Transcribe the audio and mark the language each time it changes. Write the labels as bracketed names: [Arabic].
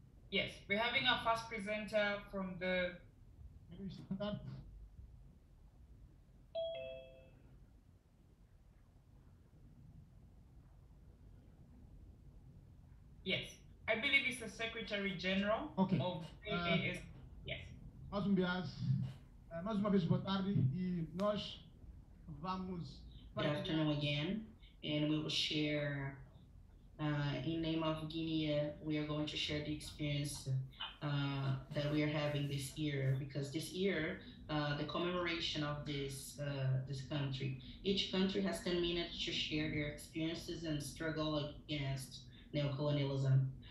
[English] Yes, we're having our first presenter from the... Yes, I believe it's the Secretary General of PAIGC. Yes. [Portuguese] Mais um dia, mais uma vez boa tarde e nós vamos. [English] Good afternoon again, and we will share. In name of Guinea, we are going to share the experience that we are having this year, because this year, the commemoration of this country, each country has 10 minutes to share their experiences and struggle against neo-colonialism.